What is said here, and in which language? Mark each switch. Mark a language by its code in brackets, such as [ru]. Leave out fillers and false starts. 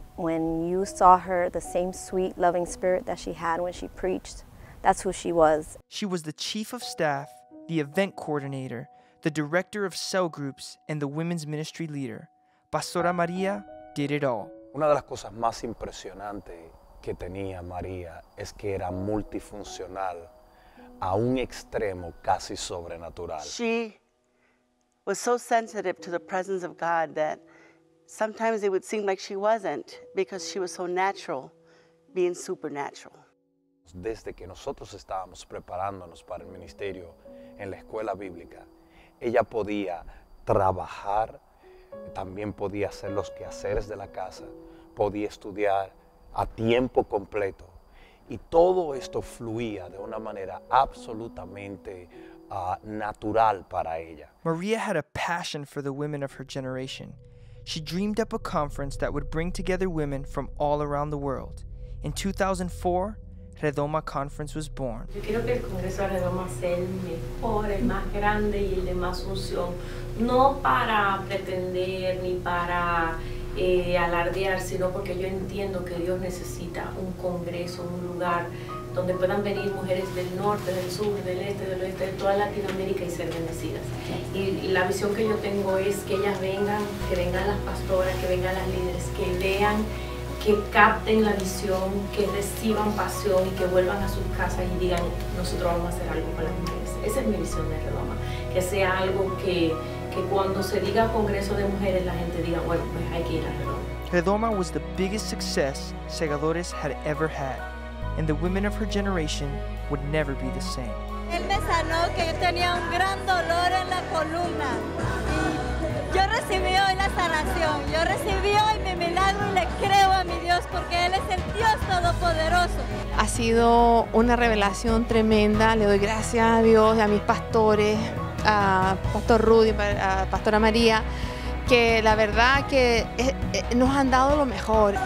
[en] When you saw her, the same sweet, loving spirit that she had when she preached, that's who she was. She was the chief of staff, the event coordinator, the director of cell groups, and the women's ministry leader. Pastora María did it all. [es] Una de las cosas más impresionantes que tenía María es que era multifuncional a un extremo casi sobrenatural. [en] She was so sensitive to the presence of God that sometimes it would seem like she wasn't, because she was so natural, being supernatural. [es] Desde que nosotros estábamos preparándonos para el ministerio en la escuela bíblica, ella podía trabajar, también podía hacer los quehaceres de la casa, podía estudiar a tiempo completo. Y todo esto fluía de una manera absolutamente natural para ella. [en] María had a passion for the women of her generation. She dreamed up a conference that would bring together women from all around the world. In 2004, Redoma Conference was born. [es] Yo quiero que el Congreso de Redoma sea el mejor, el más grande y el de más unción. No para pretender ni para alardear, sino porque yo entiendo que Dios necesita un Congreso, un lugar donde puedan venir mujeres del norte, del sur, del este, del oeste, de toda Latinoamérica y ser bendecidas. Y la visión que yo tengo es que ellas vengan, que vengan las pastoras, que vengan las líderes, que vean que capten la visión, que reciban pasión y que vuelvan a sus casas y digan, nosotros vamos a hacer algo con las mujeres. Esa es mi visión de Redoma, que sea algo que cuando se diga Congreso de Mujeres, la gente diga, bueno, pues hay que ir a Redoma. [en] Redoma was the biggest success Segadores had ever had, and the women of her generation would never be the same. [es] Él me sanó que yo tenía un gran dolor en la columna. Yo recibí hoy la sanación, yo recibí hoy mi milagro y le creo a mi Dios porque Él es el Dios Todopoderoso. Ha sido una revelación tremenda, le doy gracias a Dios y a mis pastores, a Pastor Rudy, a Pastora María, que la verdad que nos han dado lo mejor.